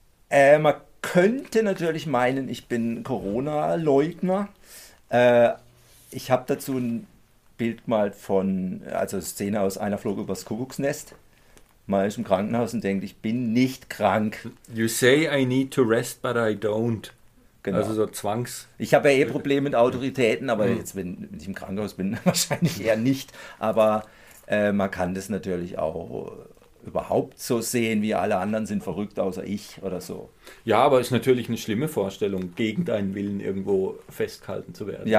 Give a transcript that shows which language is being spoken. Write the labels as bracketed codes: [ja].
[de] Man könnte natürlich meinen, ich bin Corona-Leugner. Ich habe dazu ein Bild gemalt von, also eine Szene aus Einer flog übers Kuckucksnest. Man ist im Krankenhaus und denkt, ich bin nicht krank. [en] You say I need to rest, but I don't. [de] Genau. Also so Zwangs... Ich habe ja eh Probleme mit Autoritäten, aber jetzt, wenn ich im Krankenhaus bin, wahrscheinlich eher nicht. Aber man kann das natürlich auch überhaupt so sehen, wie alle anderen sind verrückt, außer ich oder so. Ja, aber ist natürlich eine schlimme Vorstellung, gegen deinen Willen irgendwo festgehalten zu werden.